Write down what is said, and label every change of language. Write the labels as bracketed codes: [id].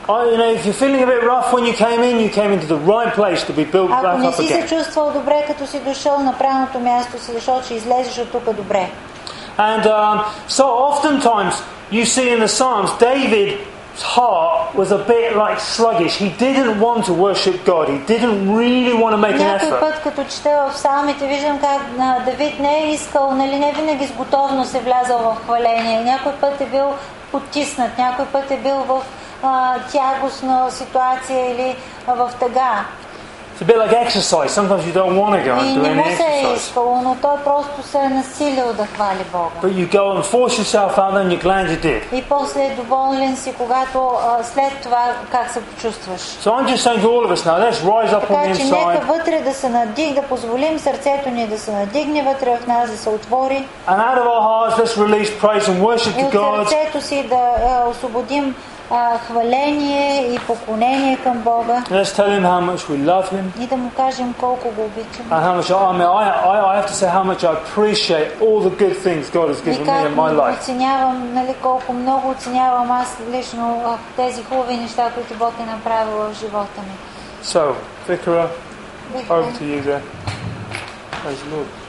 [en] You know, if you're feeling a bit rough when you came into the right place to be built back up again. [bg] Ако не си се чувствал добре, като си дошъл на правилното място, си дошъл, че излезеш от тук добре. [en] And so oftentimes you see in the Psalms, David's heart was a bit like sluggish. He didn't want to worship God. He didn't really want to make an effort. [bg] Някой път, като чета в Псалмите, виждам как Давид не е искал, нали, не винаги с готовност е влязал в хваление. Някой път е бил потиснат, някой път е бил в тягостна ситуация или в тъга. [en] It's a bit like exercise. Sometimes you don't want to go and do any exercise. [bg] Не му се е искало, но той просто се е насилил да хвали Бога. [en] But you go and force yourself out and you're glad you did. [bg] И после е доволен си, когато след това как се почувстваш. [en] So I'm just saying to all of us now, let's rise up on the inside. [bg] Така че нека вътре да се надигне, да позволим сърцето ни да се надигне вътре в нас, да се отвори. [en] And out of our hearts, let's release praise and worship to God. [bg] И от сърцето си да освободим хваление и поклонение към Бога. [en] Let's tell him how much we love him. [bg] И да му кажем колко го обичаме. [en] And how much I have to say how much I appreciate all the good things God has given me in my life. [bg] Оценявам, нали, колко много оценявам аз лично тези хубави неща, които Бог е направил в живота ми. [en] So, Vicara, over to you there. Praise the Lord.